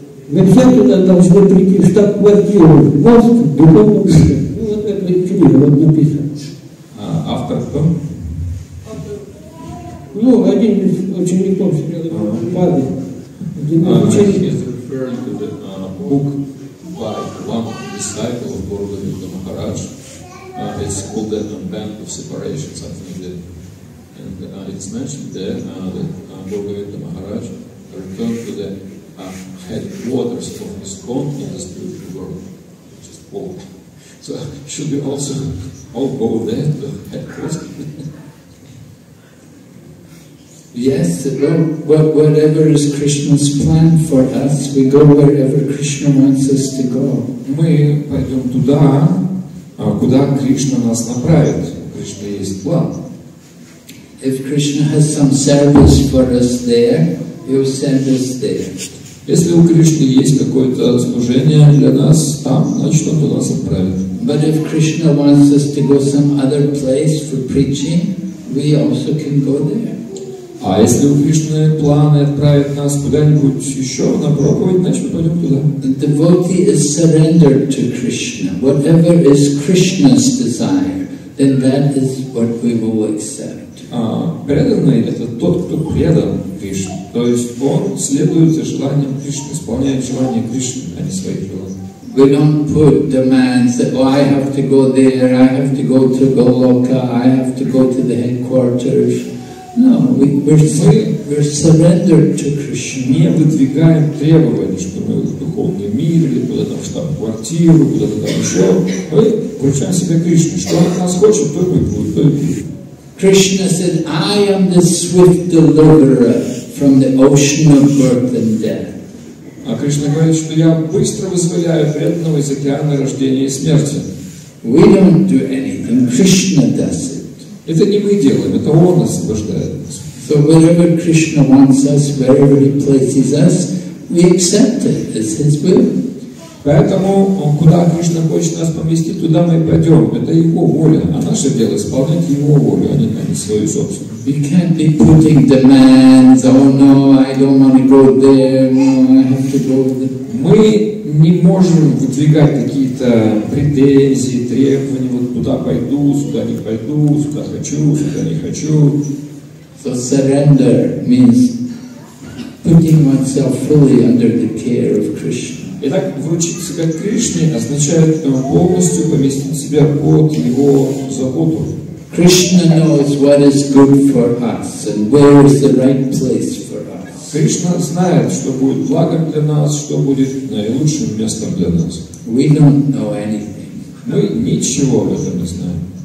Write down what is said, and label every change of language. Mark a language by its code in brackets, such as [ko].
[ru] Мы все туда должны прийти, в штаб-квартиру, в мозг, в духовном мире. Ну, вот это книга вот написано. А автор кто? Ну, один из учеников, Падли. [en] He's referring to the book by one of the disciples of Guru Govinda Maharaj. It's called The Unbound of Separation, something like that. And it's mentioned there that Guru Govinda Maharaj returned to the headquarters of ISKCON in the spiritual world, which is Paul. So should we also all go there to the headquarters? Yes, well, whatever is Krishna's plan for us, we go wherever Krishna wants us to go. [ru] Мы пойдем туда, куда Кришна нас направит. Кришна есть план. [en] If Krishna has some service for us there, He'll send us there. [ru] Если у Кришны есть какое-то служение для нас там, значит, Он туда нас отправит. [en] But if Krishna wants us to go some other place for preaching, we also can go there. [ru] А если у Кришны планы отправить нас куда-нибудь еще на проповедь, значит, мы пойдем туда. [en] The devotee is surrendered to Krishna. Whatever is Krishna's desire, then that is what we will accept. [ru] Преданный — это тот, кто предан Кришне. То есть он следует желаниям Кришны, исполняет желания Кришны, а не свои желания. [en] We don't put demands that, oh, I have to go there, I have to go to Goloka, I have to go to the headquarters. No, we're surrendered to Krishna. [ru] Не выдвигаем требования, что мы в духовный мир, или куда-то в штаб-квартиру, куда-то там еще. Мы вручаем себе Кришне. Что Он от нас хочет, то мы будем. [en] Krishna said, I am the swift deliverer from the ocean of birth and death. [ru] А Кришна говорит, что я быстро вызволяю преданного из океана рождения и смерти. [en] We don't do anything, Krishna does it. [ru] Это не мы делаем, это Он освобождает нас. [en] So wherever Krishna wants us, wherever He places us, we accept it as His will. [ru] Поэтому, куда Кришна хочет нас поместить, туда мы пойдем. Это Его воля, а наше дело — исполнять Его волю, а не свою собственную. [en] We can't be putting demands, oh no, I don't want to go there, no, I have to go there. [ru] Мы не можем выдвигать какие-то претензии, требования, вот куда пойду, сюда не пойду, сюда хочу, сюда не хочу. [en] So surrender means putting oneself fully under the care of Krishna. [ru] Итак, вручить себя Кришне означает полностью поместить себя под Его заботу. [en] Krishna knows what is good for us and where is the right place for us. [ru] Кришна знает, что будет благом для нас, что будет наилучшим местом для нас. [en] We don't know anything. [ru] Мы ничего об этом не знаем.